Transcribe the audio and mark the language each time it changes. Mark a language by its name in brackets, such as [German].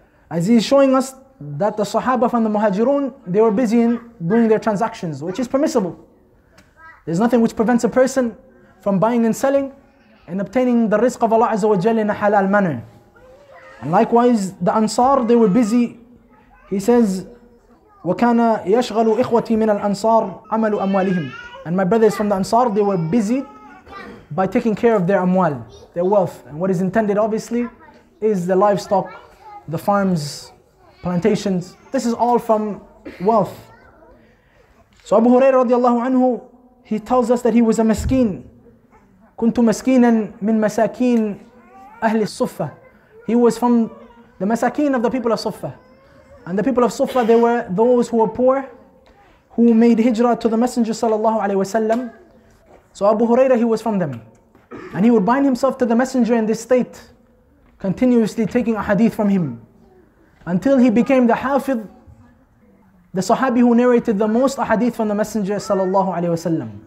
[English] As he's showing us that the Sahaba from the Muhajirun, they were busy in doing their transactions, which is permissible. There's nothing which prevents a person from buying and selling and obtaining the rizq of Allah Azza wa Jalla in a halal manner. And likewise, the Ansar, they were busy. He says, [Arabic] وَكَانَ يَشْغَلُ إِخْوَتِي مِنَ الْأَنصَارِ عَمَلُ أَمْوَالِهِمْ. [English] And my brothers from the Ansar, they were busy by taking care of their amwal, their wealth. And what is intended, obviously, is the livestock, the farms, plantations. This is all from wealth. So Abu Hurairah radiallahu anhu, he tells us that he was a maskeen. [Arabic] كنت مسكينا من مساكين أهل الصفة. [English] He was from the masakin of the people of Suffa. And the people of Suffa, they were those who were poor, who made hijrah to the Messenger sallallahu alayhi wasallam. So Abu Hurairah, he was from them. And he would bind himself to the Messenger in this state, continuously taking a hadith from him, until he became the hafidh, the sahabi who narrated the most hadith from the Messenger sallallahu alayhi wasallam.